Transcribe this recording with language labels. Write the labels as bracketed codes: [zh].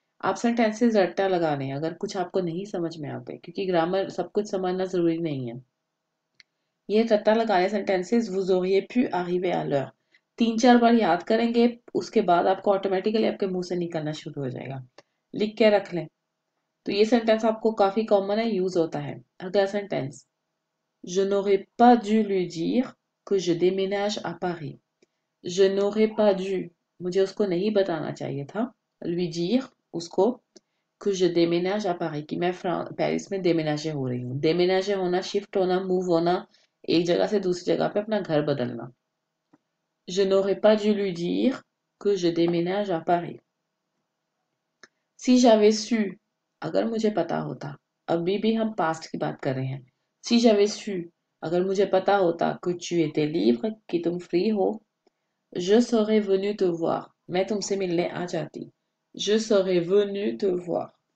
[hi] आप सेंटेंसेस रट्टा लगा लें अगर कुछ आपको नहीं समझ में आते, क्योंकि ग्रामर सब कुछ समझना जरूरी नहीं है. ये रट्टा लगा लें सेंटेंसेस, वूज ओरिए प्यू आरिवे आ लर, तीन चार बार याद करेंगे, उसके बाद आपको ऑटोमेटिकली आपके मुंह से निकलना शुरू हो जाएगा. लिख के रख लें तो ये सेंटेंस आपको काफी कॉमन है, यूज होता है. अगला sentence, [fr] je n'aurais pas dû lui dire que je déménage à Paris. Je n'aurais pas dû, [hi] मुझे उसको नहीं बताना चाहिए था, [fr] lui dire, [hi] उसको, [fr] que je déménage à Paris, [hi] कि मैं पेरिस में déménager हो रही हूँ. déménager होना, शिफ्ट होना, मूव होना, एक जगह से दूसरी जगह पे अपना घर बदलना. [fr] Je n'aurais pas dû lui dire que je déménage à Paris. Si j'avais su, [hi] अगर मुझे पता होता, अभी भी हम पास्ट की बात कर रहे हैं. [fr] Si j'avais su, [hi] अगर मुझे पता होता [fr] que tu étais libre, [hi] कि तुम फ्री हो, [fr] je serais venu te voir, [hi] मैं तुमसे मिलने आ जाती. [fr] Je serais venu te voir.